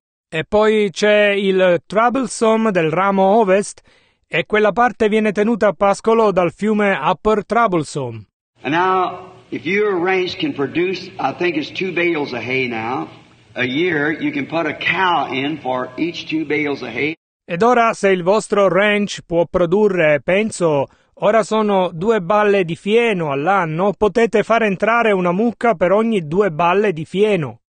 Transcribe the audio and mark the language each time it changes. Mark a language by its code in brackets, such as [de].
[it] E poi c'è il Troublesome del ramo Ovest, e quella parte viene tenuta a pascolo dal fiume Upper Troublesome. [en] And now, if your ranch can produce, I think it's 2 bales of hay now, a year, you can put a cow in for each 2 bales of hay. [it] Ed ora, se il vostro ranch può produrre, penso, ora sono 2 balle di fieno all'anno, potete far entrare una mucca per ogni 2 balle di fieno.